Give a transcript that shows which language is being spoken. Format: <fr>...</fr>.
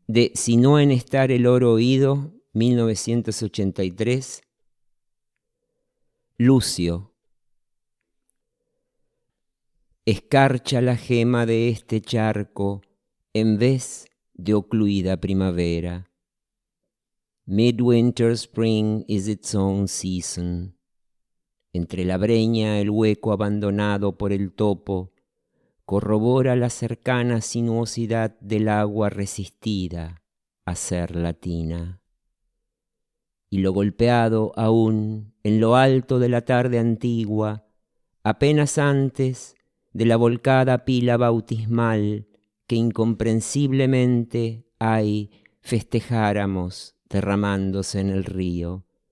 <es>de Si no en estar el oro oído, 1983. Lucio. Escarcha la gema de este charco en vez de ocluida primavera.</es> <en>Midwinter spring is its own season.</en> <es>Entre la breña, el hueco abandonado por el topo corrobora la cercana sinuosidad del agua resistida a ser latina. Y lo golpeado aún en lo alto de la tarde antigua, apenas antes de la volcada pila bautismal que incomprensiblemente ahí festejáramos derramándose en el río,</es>